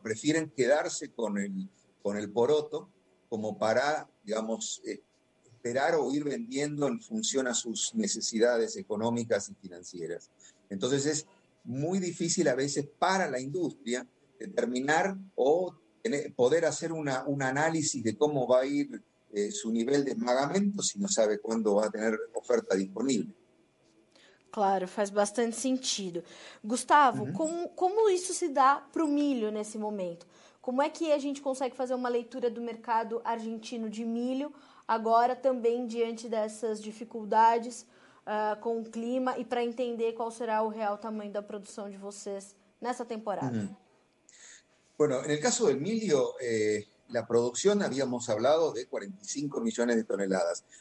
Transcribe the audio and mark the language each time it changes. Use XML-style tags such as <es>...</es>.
<es>Prefieren quedarse con el poroto como para, digamos, esperar o ir vendiendo en función a sus necesidades económicas y financieras. Entonces es muy difícil a veces para la industria determinar o poder hacer un análisis de cómo va a ir su nivel de esmagamento si no sabe cuándo va a tener oferta disponible.</es> <pt>Claro, faz bastante sentido. Gustavo, como isso se dá para o milho nesse momento? Como é que a gente consegue fazer uma leitura do mercado argentino de milho agora também diante dessas dificuldades com o clima e para entender qual será o real tamanho da produção de vocês nessa temporada?</pt> <es>Bueno, en el caso del milho, la producción, habíamos hablado, de 45 millones de toneladas.</es>